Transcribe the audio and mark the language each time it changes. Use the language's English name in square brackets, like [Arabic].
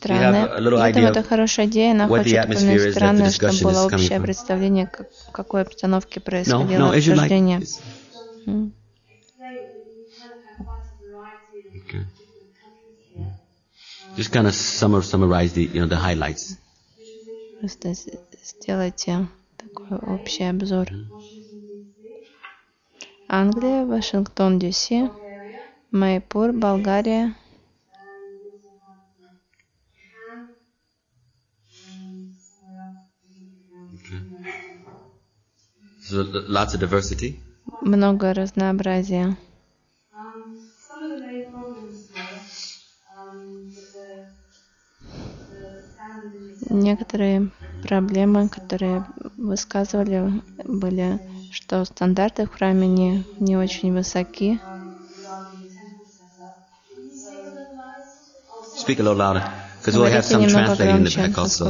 [English] We have a little idea of what the atmosphere is, that the discussion is coming from. No, no, as you like. Mm. Okay. Yeah, yeah, yeah. Yeah, yeah. Yeah, yeah. Yeah. Just kind of summarize the, you know, the highlights. Just [Russian] сделайте такой общий обзор. Англия, Вашингтон, D.C., Майпур, Болгария. [English] So lots of diversity. [Russian] Много разнообразия. Некоторые проблемы, которые высказывали, были, что стандарты в храме не очень высоки. [English] Speak a little louder, because we'll have some translating in the back also.